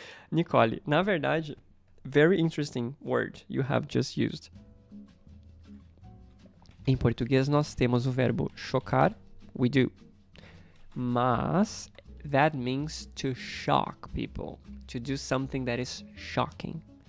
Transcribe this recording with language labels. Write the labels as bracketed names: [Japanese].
[English] Nicole, [Portuguese] na verdade, [English] very interesting word you have just used. [Portuguese] Em português, nós temos o verbo chocar, [English] we do. [Portuguese] Mas, [English] that means to shock people, to do something that is shocking.